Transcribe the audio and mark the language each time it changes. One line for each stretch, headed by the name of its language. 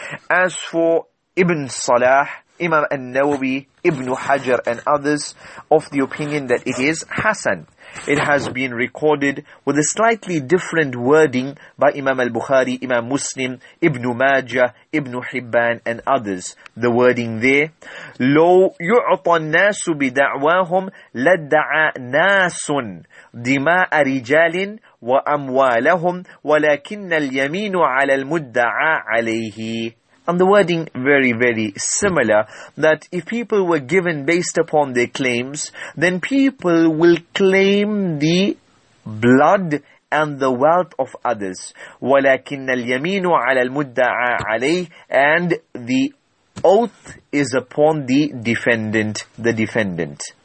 English: As for Ibn Salah, Imam An-Nawawi, Ibn Hajar and others of the opinion that it is Hassan. It has been recorded with a slightly different wording by Imam Al-Bukhari, Imam Muslim, Ibn Majah, Ibn Hibban and others. The wording there,
Arabic: لو يعطى الناس بدعواهم لدعى ناس دماء رجال وأموالهم ولكن اليمين على المدعى عليه.
English: And the wording very, very similar, that if people were given based upon their claims, then people will claim the blood and the wealth of others.
Arabic: وَلَكِنَّ الْيَمِينُ عَلَى الْمُدَّعَى عَلَيْهِ
English: And the oath is upon the defendant, the defendant.